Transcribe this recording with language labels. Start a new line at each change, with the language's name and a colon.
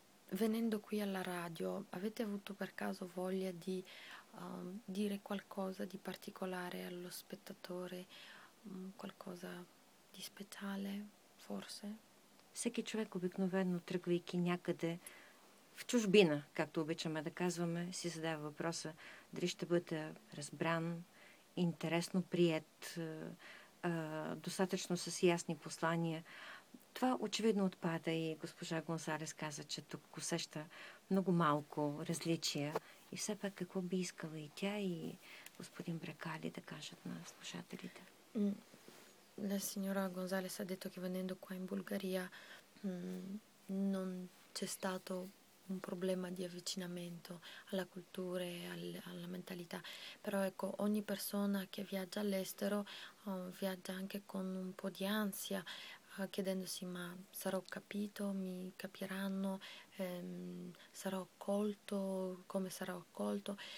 Italian: Venendo qui alla radio, avete avuto per caso voglia di dire qualcosa di particolare allo spettatore, qualcosa di speciale, forse?
Bulgarian: Всеки човек обикновено, тръгвайки някъде в чужбина, както обичаме да казваме, си задава въпроса дали ще бъде разбран, интересно прият, достатъчно с ясни послания. Това очевидно отпада и госпожа Гонсалес каза, че тук усеща много малко различия. И все пак какво би искала и тя, и господин Брекали да кажат на слушателите?
Italian: La signora Gonzales ha detto che venendo qua in Bulgaria non c'è stato un problema di avvicinamento alla cultura e alla mentalità. Però ecco, ogni persona che viaggia all'estero viaggia anche con un po' di ansia, chiedendosi ma sarò capito, mi capiranno, sarò accolto, come sarò accolto.